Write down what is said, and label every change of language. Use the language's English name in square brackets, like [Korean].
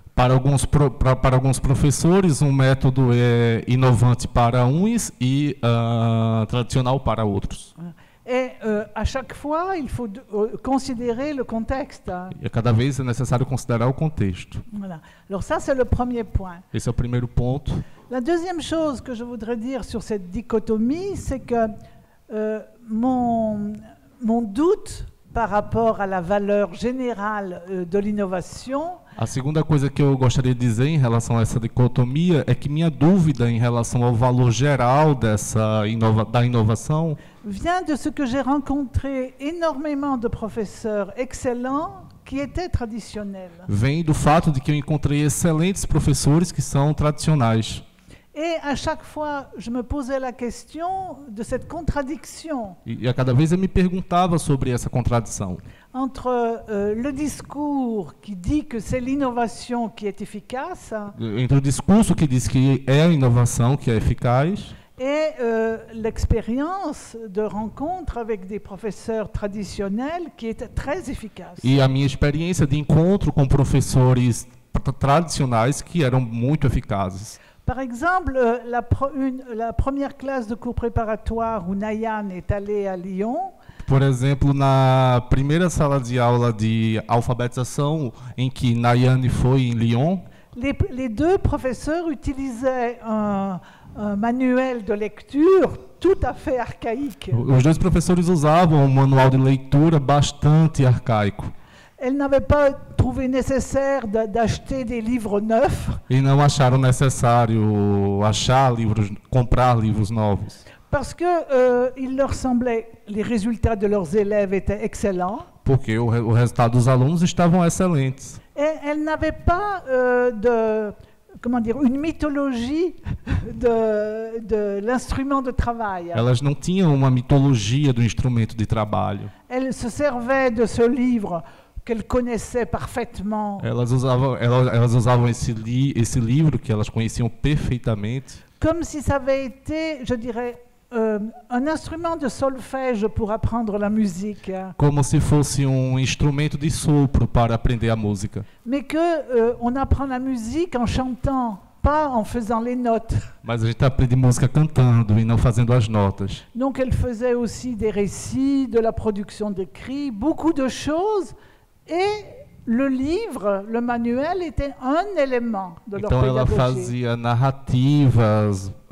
[Portuguese] Para alguns professores, um método é inovante para uns e tradicional para outros. [French] À chaque fois, il faut considérer le contexte. [Portuguese] E cada vez é necessário considerar o contexto. [French] Voilà. Alors ça c'est le premier point. [Portuguese] Esse é o primeiro ponto. [French] La deuxième chose que je voudrais dire sur cette dichotomie, c'est que mon doute par rapport à la valeur générale de l'innovation. [Portuguese] A segunda coisa que eu gostaria de dizer em relação a essa dicotomia é que minha dúvida em relação ao valor geral dessa da inovação [French] vient de ce que j'ai rencontré énormément de professeurs excellents qui étaient traditionnels. [Portuguese] Vem do fato de que eu encontrei excelentes professores que são tradicionais. [French] Et à chaque fois, je me posais la question de cette contradiction. [Portuguese] E a cada vez eu me perguntava sobre essa contradição. [French] Entre le discours qui dit que c'est l'innovation qui est efficace. [Portuguese] Entre o discurso que diz que é a inovação que é eficaz. [French] Et l'expérience de rencontre avec des professeurs traditionnels qui était très efficace. [Portuguese] E a minha experiência de encontro com professores tradicionais que eram muito eficazes. [French] Par exemple, la première classe de cours préparatoire où Nayan est allé à Lyon. [Portuguese] Por exemplo, na primeira sala de aula de alfabetização em que Nayan foi em Lyon. [French] Les deux professeurs utilisaient un manuel de lecture tout à fait archaïque. [Portuguese] Os dois professores usavam um manual de leitura bastante arcaico. [French] Elle n'avait pas trouvé nécessaire d'acheter des livres neufs. [Portuguese] Ils não acharam necessário achar livros, comprar livros novos. [French] Parce que il leur semblait les résultats de leurs élèves étaient excellents. [Portuguese] Porque o resultado dos alunos estavam excelentes. [French] Et elle n'avait pas de comment dire une mythologie de l'instrument de travail. [Portuguese] Elas não tinham uma mitologia do instrumento de trabalho. [French] Elle se servait de ce livre qu'elle connaissait parfaitement. [Portuguese] Elas usavam esse livro que elas conheciam perfeitamente. [French] Comme si ça avait été, je dirais, un instrument de solfège pour apprendre la musique. [Portuguese] Como se fosse um instrumento de sopro para aprender a música. [French] Mais que on apprend la musique en chantant, pas en faisant les notes. [Portuguese] Mas a gente aprende música cantando e não fazendo as notas. [French] Donc elle faisait aussi des récits, de la production de cris, beaucoup de choses. Et Le livre, le manuel, était un élément de leur pédagogie. [Portuguese] Então ela fazia narrativas,